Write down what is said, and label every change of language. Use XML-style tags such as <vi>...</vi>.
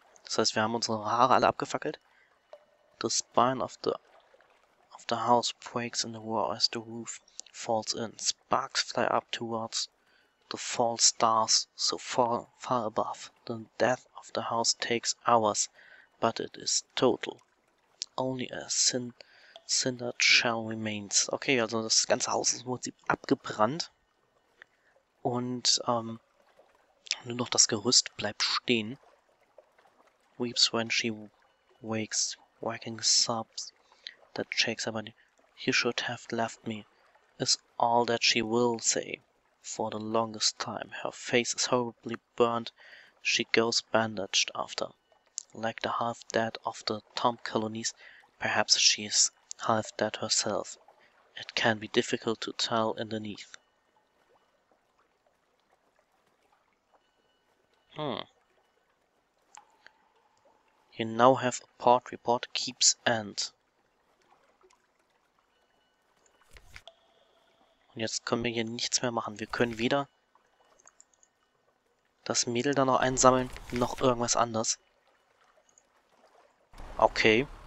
<de>Das heißt, wir haben unsere Haare alle abgefackelt.</de> <en>The spine of the house breaks in the war as the roof falls in. Sparks fly up towards the false stars so far above. The death of the house takes hours, but it is total. Only a cinder shell remains.</en> <de>Okay, also das ganze Haus ist im Prinzip abgebrannt. Und nur noch das Gerüst bleibt stehen.</de> <en>Weeps when she wakes, waking sobs. That shakes her body. He should have left me, is all that she will say for the longest time. Her face is horribly burned. She goes bandaged after. Like the half-dead of the Tomb colonies, perhaps she is half-dead herself. It can be difficult to tell underneath. Hmm. You now have a port report, keeps end.</en> <de>Und jetzt können wir hier nichts mehr machen. Wir können weder das Mädel da noch einsammeln, noch irgendwas anderes. Okay.</de>